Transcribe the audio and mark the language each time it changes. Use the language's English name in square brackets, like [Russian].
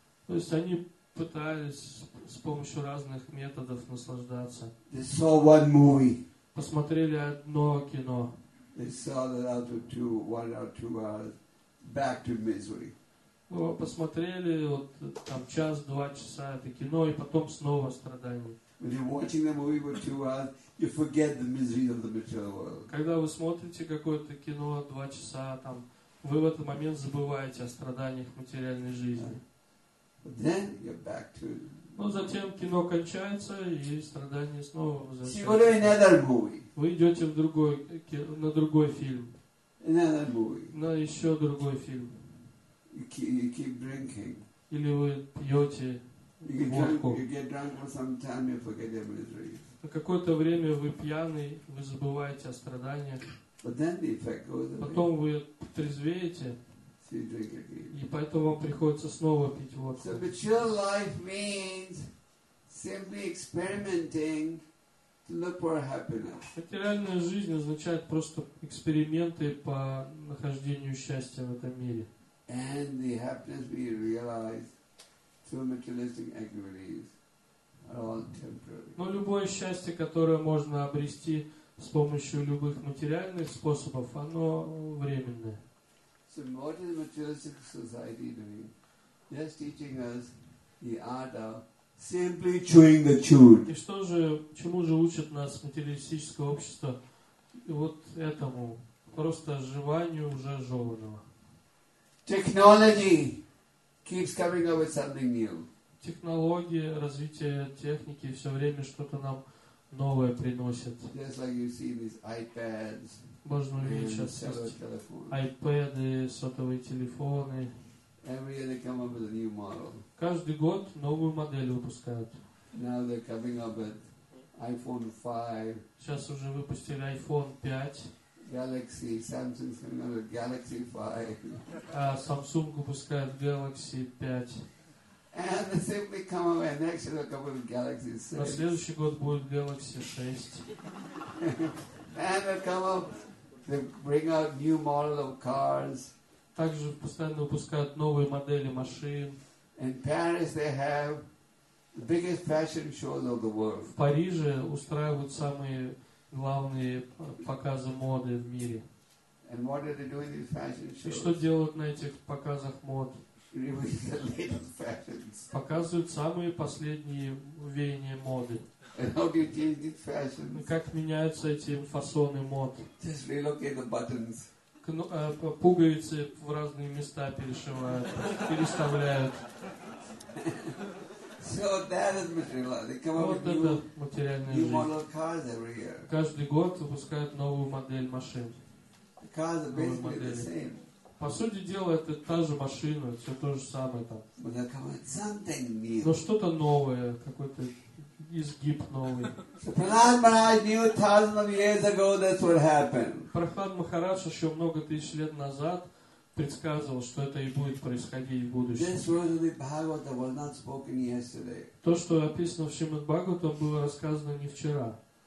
[Russian] То есть они пытались с помощью разных методов наслаждаться. [English] They saw one movie. [Russian] Посмотрели одно кино. [English] They saw that after one or two hours, back to misery. [Russian] Посмотрели вот там час-два часа это кино и потом снова страдания. [English] When you're watching the movie for 2 hours, you forget the misery of the material world. [Russian] Когда вы смотрите какое-то кино два часа там, вы в этот момент забываете о страданиях материальной жизни. [English] Then you're back to. [Russian] Но затем кино кончается и страдания снова возвращаются. [English] So you go to another movie. [Russian] Вы идете в другой, на другой фильм. [English] Another movie. [Russian] На еще другой фильм. [English] You keep drinking. [Russian] Или вы пьете водку. [English] You get drunk for some time, you forget your misery. [Russian] На какое-то время вы пьяный, вы забываете о страданиях. [English] But then the effect goes away. [Russian] Потом вы трезвеете. И поэтому вам приходится снова пить водку. [English] So mature life means simply experimenting to look for happiness. [Russian] Материальная жизнь означает просто эксперименты по нахождению счастья в этом мире. [English] And the happiness we realize through materialistic activities are all temporary. [Russian] Но любое счастье, которое можно обрести с помощью любых материальных способов, оно временное. [English] So what is the materialistic society doing? Just teaching us the art of simply chewing the chew. [Russian] И что же, чему же учит нас материалистическое общество? Вот этому, просто жеванию уже жеванного. [English] Technology keeps coming up with something new. [Russian] Технологии, развитие техники все время что-то нам новое приносит. [English] Just like you see these iPads. [Russian] Можно увидеть сейчас айпэды, сотовые телефоны. [English] Every year they come up with a new model. [Russian] Каждый год новую модель выпускают. [English] Now they're coming up with iPhone 5. [Russian] Сейчас уже выпустили iPhone 5. [English] Galaxy, Samsung's coming up with Galaxy 5. [Russian] А Samsung выпускает Galaxy 5. [English] And they simply come up with, next year they'll come up with Galaxy 6. [Russian] На следующий год будет Galaxy 6. [English] And they'll come up. They bring out new model of cars. [Russian] Также постоянно выпускают новые модели машин. [English] In Paris they have the biggest fashion shows of the world. [Russian] В Париже устраивают самые главные показы моды в мире. [English] And what are they doing in these fashion shows? [Russian] И что делают на этих показах мод? [English] Release the latest fashions. [Russian] Показывают самые последние веяния моды. [English] And how do you change these fashions? [Russian] Как меняются эти фасоны мод? [English] Just relocate the buttons. [Russian] Пуговицы в разные места перешивают, переставляют. [English] So that is material. [Russian] Вот это материальная жизнь. [English] New model cars every year. [Russian] Каждый год выпускают новую модель машин. [English] The cars are basically the same. [Russian] По сути дела, это та же машина, все то же самое там. [English] But they come with something new. [Russian] Но что-то новое, какой-то изгиб новый. [English] Прохлад Махарадж knew thousands of years ago this would happen. [Russian] Прохлад Махарадж еще много тысяч лет назад предсказывал, что это и будет происходить в будущем. [English] This word of the Bhagavata was not spoken yesterday. [Russian] То, что описано в Шримад Бхагаватам, было рассказано не вчера.